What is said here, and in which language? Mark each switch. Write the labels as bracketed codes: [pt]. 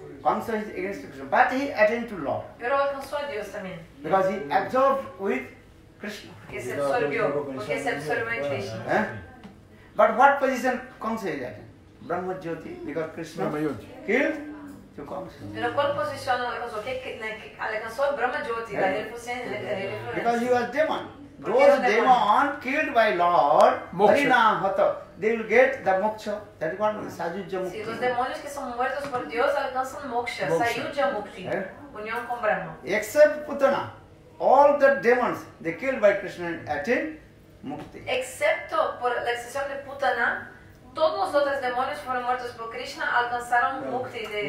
[en] Kamsa is against to Krishna, but he attained to Lord. [es] Pero alcanzó a Dios también. [en] Because he absorbed with Krishna. [es] Porque se absorbió, porque se absorbió en Krishna. [en] But what position Kamsa is at? Brahma Jyoti, because Krishna killed to Kamsa. [es] Pero cuál posición alcanzó? Alcanzó Brahma Jyoti, la [en] influencia. Because he was demon. Those demons killed by Lord Harinamata, they will get the moksha. That is one, Sayujya Mukti. [es] Si, los demonios que son muertos por Dios alcanzan moksha, Sayujya Mukti, unión con Brahma. [en] Except Putana, all the demons, they killed by Krishna and attain Mukti. [es] Excepto por la excepción de Putana, todos los otros demonios fueron muertos por Krishna alcanzaron Mukti.